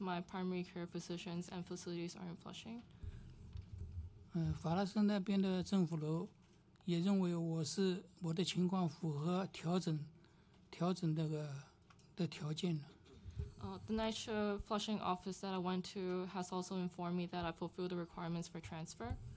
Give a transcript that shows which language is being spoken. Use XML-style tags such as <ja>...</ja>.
<en>My primary care physicians and facilities are in Flushing.</en> <zh>法拉盛那边的政府楼也认为我是我的情况符合调整的条件。</zh> <en>The NYCHA Flushing office that I went to has also informed me that I fulfilled the requirements for transfer.</en>